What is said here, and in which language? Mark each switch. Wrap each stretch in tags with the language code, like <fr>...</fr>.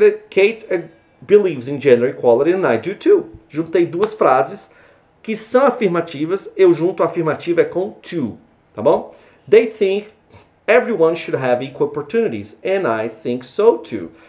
<en>Kate believes in gender equality and I do too.</en> <pt>Juntei duas frases que são afirmativas. Eu junto a afirmativa com to, tá bom?</pt> <en>They think everyone should have equal opportunities and I think so too.</en>